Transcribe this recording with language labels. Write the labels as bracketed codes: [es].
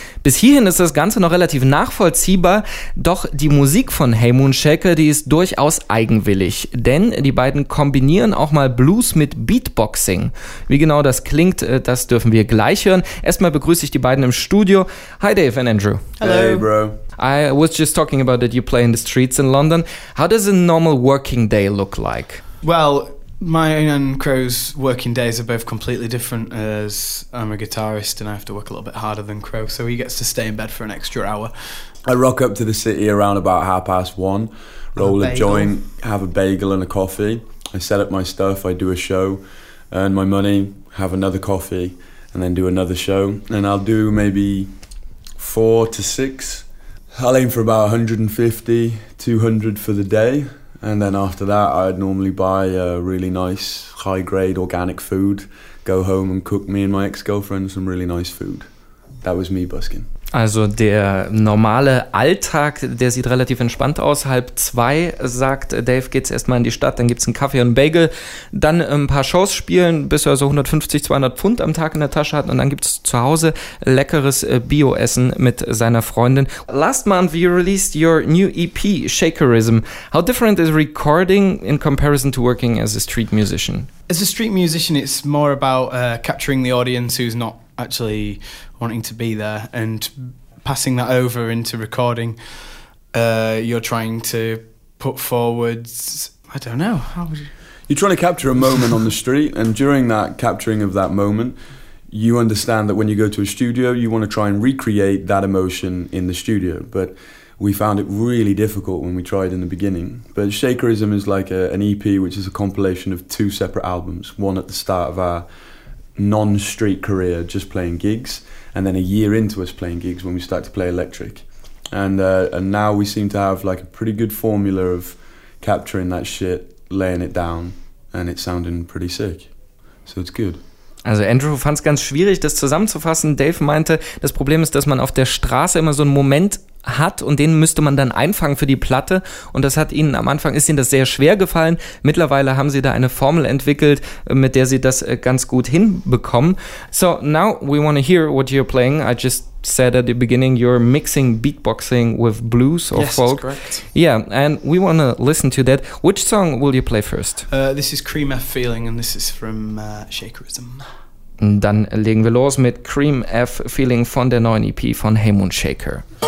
[de] Bis hierhin ist das Ganze noch relativ nachvollziehbar, doch die Musik von Hey Moonshaker, die ist durchaus eigenwillig, denn die beiden kombinieren auch mal Blues mit Beatboxing. Wie genau das klingt, das dürfen wir gleich hören. Erstmal begrüße ich die beiden im Studio. [en] Hi Dave and Andrew. Hello. Hey Bro. I was just talking about that you play in the streets in London. How does a normal working day look like? Well, my own and Crow's working days are both completely different, as I'm a guitarist and I have to work a little bit harder than Crow, so he gets to stay in bed for an extra hour. I rock up to the city around about 1:30, roll a joint, have a bagel and a coffee. I set up my stuff, I do a show, earn my money, have another coffee, and then do another show. And I'll do maybe 4 to 6. I'll aim for about 150, 200 for the day. And then after that, I'd normally buy a really nice, high-grade organic food, go home and cook me and my ex-girlfriend some really nice food. That was me busking. [de] Also der normale Alltag, der sieht relativ entspannt aus. 1:30, sagt Dave, geht's erstmal in die Stadt, dann gibt's einen Kaffee und einen Bagel, dann ein paar Shows spielen, bis er so 150, 200 Pfund am Tag in der Tasche hat und dann gibt's zu Hause leckeres Bio-Essen mit seiner Freundin. [en] Last month you released your new EP, Shakerism. How different is recording in comparison to working as a street musician? As a street musician, it's more about capturing the audience who's not actually wanting to be there and passing that over into recording. You're trying to put forwards, I don't know, how would you? You're trying to capture a moment on the street, and during that capturing of that moment, you understand that when you go to a studio, you want to try and recreate that emotion in the studio. But we found it really difficult when we tried in the beginning. But Shakerism is like an EP, which is a compilation of two separate albums, one at the start of our non-street career, just playing gigs, and then a year into us playing gigs when we start to play electric. And now we seem to have like a pretty good formula of capturing that shit, laying it down, and it's sounding pretty sick. So it's good. [de] Also Andrew fand es ganz schwierig, das zusammenzufassen. Dave meinte, das Problem ist, dass man auf der Straße immer so einen Moment hat und den müsste man dann einfangen für die Platte. Und das hat ihnen am Anfang, ist ihnen das sehr schwer gefallen. Mittlerweile haben sie da eine Formel entwickelt, mit der sie das ganz gut hinbekommen. [en] So now we want to hear what you're playing. I just said at the beginning you're mixing beatboxing with blues or yes, folk. That's correct. Yeah, and we want to listen to that. Which song will you play first? This is Cream F Feeling and this is from Shakerism. [de] Dann legen wir los mit Cream F Feeling von der neuen EP von Hey Moonshaker.